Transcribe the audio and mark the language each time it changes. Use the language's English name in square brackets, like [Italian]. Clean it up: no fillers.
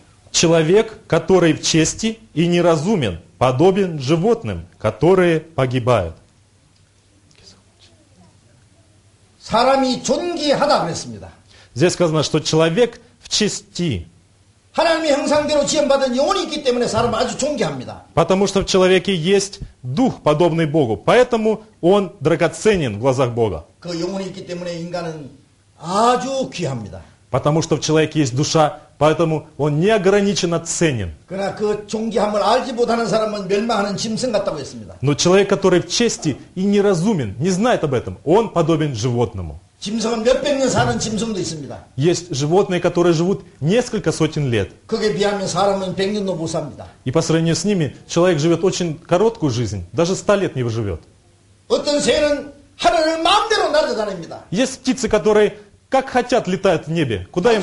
[Russian] Человек, который в чести и неразумен, подобен животным, которые погибают. [Korean] 사람이 존귀하다 그랬습니다. [Russian] Здесь сказано, что человек в чести. [Korean] 하나님의 형상대로 지음받은 영혼이 있기 때문에 사람 아주 존귀합니다. [Russian] Потому что в человеке есть дух, подобный Богу, поэтому он драгоценен в глазах Бога. [Korean] 그 영혼이 있기 때문에 인간은 아주 귀합니다. [Russian] Потому что в человеке есть душа, поэтому он неограниченно ценен. [Korean] 그러나 그 존귀함을 알지 못하는 사람은 멸망하는 짐승 같다고 했습니다. [Russian] Но человек, который в чести и неразумен, не знает об этом, он подобен животному. [Korean] 짐승은 몇백 년 사는 짐승도 있습니다. [Russian] Есть животные, которые живут несколько сотен лет. [Korean] 그게 비하면 사람은 백 년도 못 삽니다. [Russian] И по сравнению с ними, человек живет очень короткую жизнь, даже 100 лет не выживет. [Korean] 어떤 새는 하늘을 마음대로 날아다닙니다. [Russian] Есть птицы, которые как хотят летают в небе, куда им